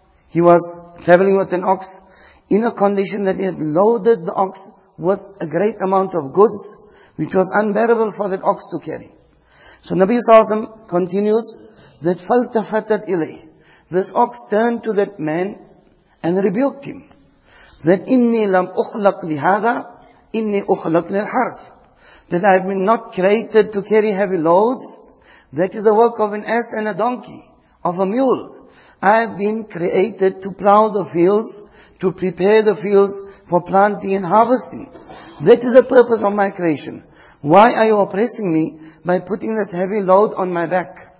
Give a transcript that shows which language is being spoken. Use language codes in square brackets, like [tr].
[en] He was traveling with an ox in a condition that he had loaded the ox with a great amount of goods, which was unbearable for that ox to carry. So Nabi Sallallahu Alaihi Wasallam continues that [ar] فَلْتَفَتَتْ إِلَيْهِ. [en] This ox turned to that man and rebuked him. That [ar] إِنِّي لَمْ أُخْلَقْ لِهَذَا إِنِّي أُخْلَقْ لِلْحَرْثِ. [en] That I have been not created to carry heavy loads. That is the work of an ass and a donkey, of a mule. I have been created to plow the fields, to prepare the fields for planting and harvesting. That is the purpose of my creation. Why are you oppressing me by putting this heavy load on my back?